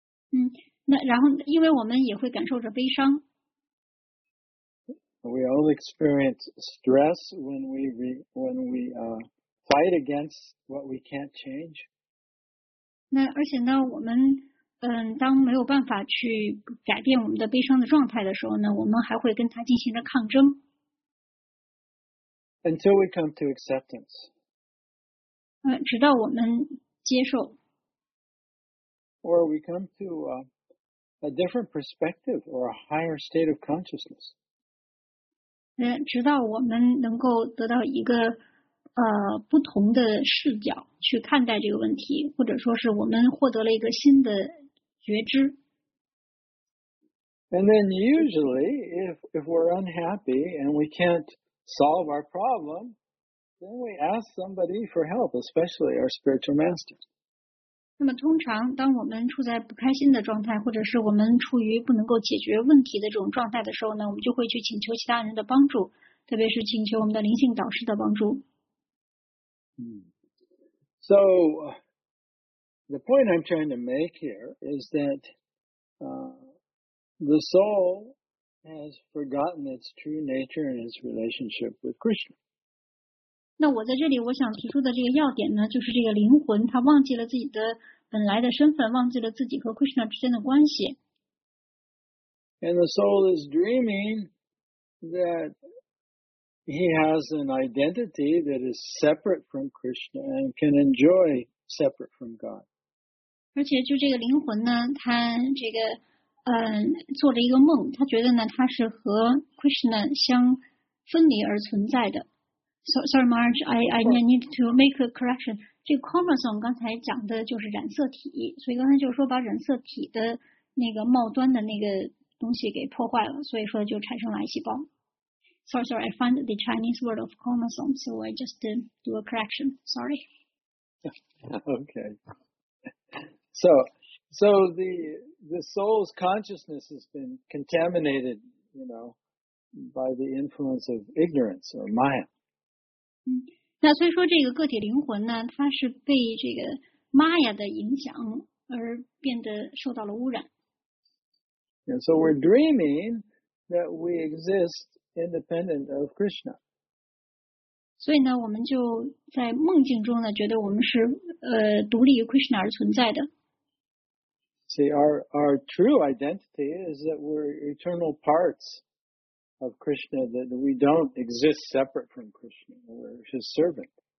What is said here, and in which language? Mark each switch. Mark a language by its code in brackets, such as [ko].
[zh] 嗯，那然后因为我们也会感受着悲伤。 [en] We all experience stress when we fight against what we can't change. [zh] 那而且呢，我们当没有办法去改变我们的悲伤的状态的时候呢，我们还会跟它进行着抗争。 [en] Until we come to acceptance. [zh] 直到我们接受。 [en] Or we come to a different perspective or a higher state of consciousness. [zh] 直到我们能够得到一个不同的视角去看待这个问题，或者说是我们获得了一个新的觉知。 [en] And then usually, if we're unhappy and we can't solve our problem, then we ask somebody for help, especially our spiritual master. [zh] 那么通常，当我们处在不开心的状态，或者是我们处于不能够解决问题的这种状态的时候呢，我们就会去请求其他人的帮助，特别是请求我们的灵性导师的帮助。 [en] So, the point I'm trying to make here is that the soul has forgotten its true nature and its relationship with Krishna. [zh] 那我在这里我想提出的这个要点呢，就是这个灵魂它忘记了自己的本来的身份，忘记了自己和 Krishna 之间的关系。 [en] And the soul is dreaming that he has an identity that is separate from Krishna and can enjoy separate from God. [zh] 而且就这个灵魂呢，他这个做了一个梦，他觉得呢他是和 Krishna 相分离而存在的。 [en] So, sorry, Marge, I need to make a correction. [zh] 这个 chromosome 刚才讲的就是染色体，所以刚才就是说把染色体的那个末端的那个东西给破坏了，所以说就产生了癌细胞。 [en] Sorry, I found the Chinese word of chromosome, so I just do a correction. Sorry. Okay. So the soul's consciousness has been contaminated, you know, by the influence of ignorance or Maya. [zh] 那所以说这个个体灵魂呢，它是被这个 Maya 的影响而变得受到了污染。 [en] Yeah, so we're dreaming that we exist independent of Krishna. [zh] 所以呢，我们就在梦境中呢，觉得我们是独立于 Krishna 而存在的。 [en] See, our true identity is that we're eternal parts of Krishna, that we don't exist separate from Krishna, we're his servant.